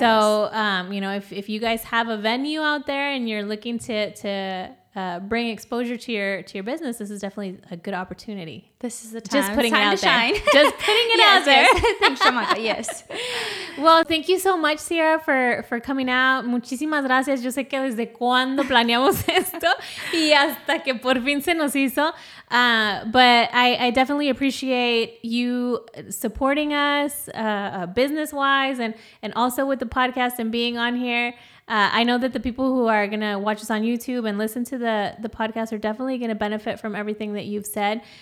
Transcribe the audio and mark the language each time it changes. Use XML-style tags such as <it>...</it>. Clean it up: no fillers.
<en>So, you know, if you guys have a venue out there and you're looking to bring exposure to your business, this is definitely a good opportunity. This is the time. Just putting time it out to there. Shine. Just putting it yes, out there. Yes. Thanks so much. Yes. Well, thank you so much, Sierra, for coming out.</en> <es>Muchísimas gracias. Yo sé que desde cuando planeamos esto y hasta que por fin se nos hizo.</es> <en>But I definitely appreciate you supporting us business-wise and also with the podcast and being on here. I know that the people who are going to watch us on YouTube and listen to the podcast are definitely going to benefit from everything that you've said.</en>